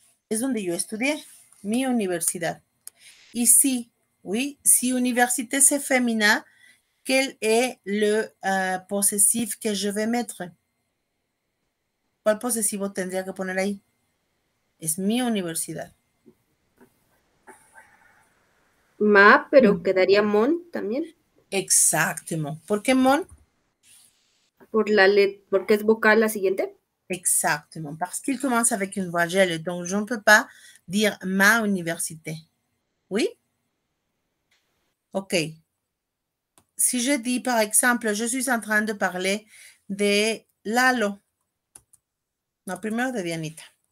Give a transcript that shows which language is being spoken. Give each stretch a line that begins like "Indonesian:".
Spanish: Es donde yo estudié, mi universidad.
French: Y si, oui, si université c'est féminin, quel est le possessif que je vais mettre?
Spanish: ¿Cuál posesivo tendría que poner ahí? Es mi universidad. Ma, pero quedaría mon también. Exactamente. ¿Por qué mon? Por la letra, porque es vocal la siguiente.
French: Exactement, parce qu'il commence avec une voyelle, donc je ne peux pas dire ma université. Oui? Ok. Si je dis, par exemple, je suis en train de parler de Lalo. Non,
Spanish: primero de Dianita.